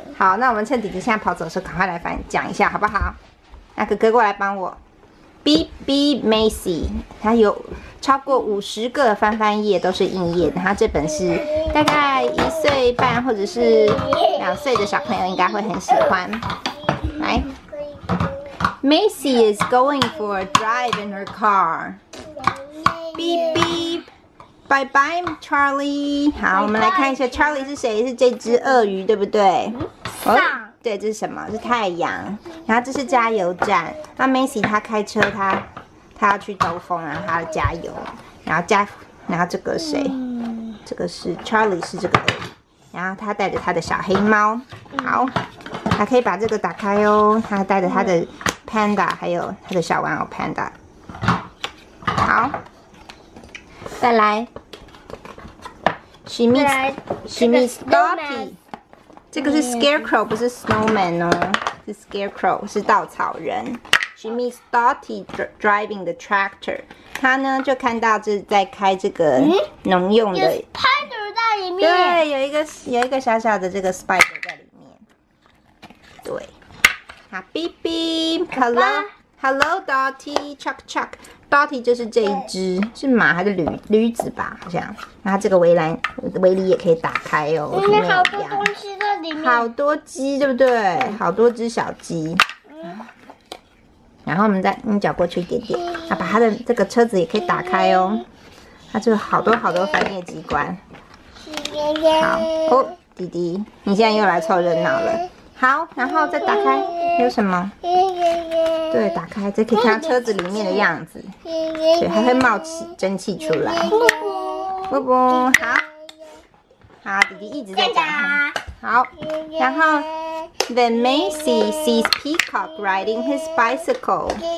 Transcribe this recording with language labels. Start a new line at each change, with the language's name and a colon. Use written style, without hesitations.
Chinese: 好，那我们趁弟弟现在跑走的时候，赶快来翻讲一下，好不好？那哥哥过来帮我。 BB Macy， 他有超过50个翻翻页都是硬页，然后这本是大概1岁半或者是2岁的小朋友应该会很喜欢。
English: 来 ，Macy is going for a drive in her car. Beep beep, bye bye Charlie.
Chinese: 好，我们来看一下 Charlie 是谁，是这只鳄鱼对不对？哦，对，这是什么？是太阳。然后这是加油站。那 Macy 他开车，他要去兜风，然后他要加油，然后这个谁？这个是 Charlie， 是这个，然后他带着他的小黑猫，好，还可以把这个打开哦。他带着他的 Panda， 还有他的小玩偶 Panda。
English: 好，再来 ，She meets Dorothy。
Chinese: 这个是 Scarecrow， 不是 Snowman 哦，是 Scarecrow， 是稻草人。
English: She meets Dotty driving the tractor.
Chinese: 他呢就看到这在开这个农用的。有 spider 在里面。对，有一个小小的这个 spider 在里面。对。
English: 好 ，beep beep， hello Dotty， chuck chuck。
Chinese: Dotty 就是这一只，是马还是驴子吧？好像。那这个围篱也可以打开哦。里面好多东西在里面。好多鸡，对不对？好多只小鸡。然后我们再脚过去一点点，啊，把他的这个车子也可以打开哦。他就好多好多翻页机关。好哦，弟弟，你现在又来凑热闹了。好，然后再打开，有什么？对，打开，这可以看到车子里面的样子。对，还会冒气蒸汽出来。不不，好，好，弟弟一直在讲。好，然后。
English: Then Macy sees Peacock riding his bicycle.